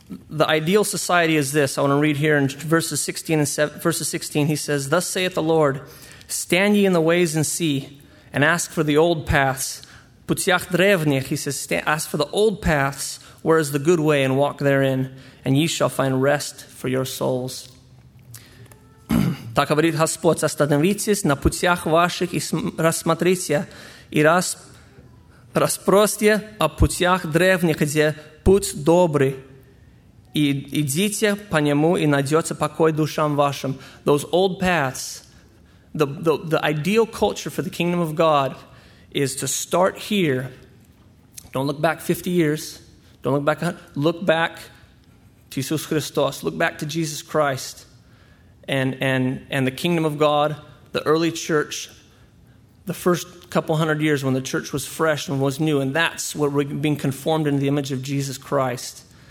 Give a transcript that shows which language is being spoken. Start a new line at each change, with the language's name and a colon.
English: The ideal society is this. I want to read here in verses 16. He says, "Thus saith the Lord, stand ye in the ways and see, and ask for the old paths."
Russian: Putziach drevnich,
English: he says, ask for the old paths, where is the good way, and walk therein, and ye shall find rest for your souls.
Russian: Так говорит Господь, остановитесь на путях ваших и рассмотрите, и распростите о путях древних, где путь добрый, и идите по нему, и найдете покой душам вашим.
English: Those old paths, the ideal culture for the kingdom of God is to start here. Don't look back 50 years. Don't look back. Look back to Jesus Christos. Look back to Jesus Christ and the kingdom of God, the early church, the first couple hundred years when the church was fresh and was new. And that's what we're being conformed into the image of Jesus Christ.